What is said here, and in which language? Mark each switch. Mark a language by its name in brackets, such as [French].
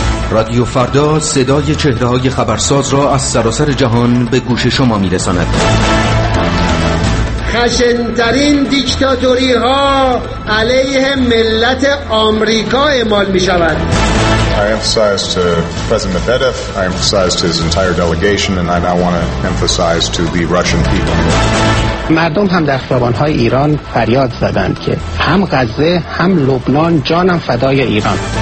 [Persian] رادیو فردا صدای چهره های خبرساز را از سراسر جهان به گوش شما می رساند. خشن‌ترین دیکتاتوری ها علیه ملت آمریکا اعمال می شود. [English] I emphasize to President Medvedev, I emphasize to his entire delegation, and I now want to emphasize to the Russian people. [Persian] مردم هم در خیابان‌های ایران فریاد زدند که هم غزه هم لبنان جانم فدای ایران.